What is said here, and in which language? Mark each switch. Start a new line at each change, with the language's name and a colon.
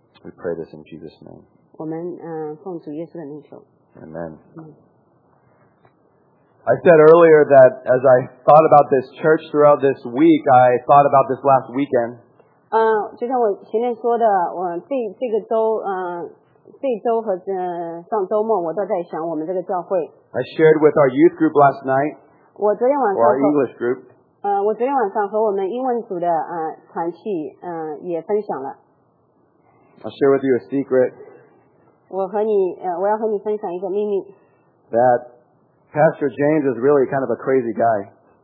English: We pray this in Jesus' name.
Chinese: 我们奉主耶稣的名求。
English: Amen. I said earlier that as I thought about this church throughout this week, I thought about this last weekend.
Chinese: 就像我前面说的，我这个周这周和上周末，我都在想我们这个教会。
English: I shared with our youth group last night.
Chinese: 我昨天晚上
English: 和 our English group.
Chinese: 我昨天晚上和我们英文组的团契也分享了。
English: I'll share with you a secret.
Chinese: 我要和你分享一个秘密。
English: That Pastor James is really kind of a crazy guy.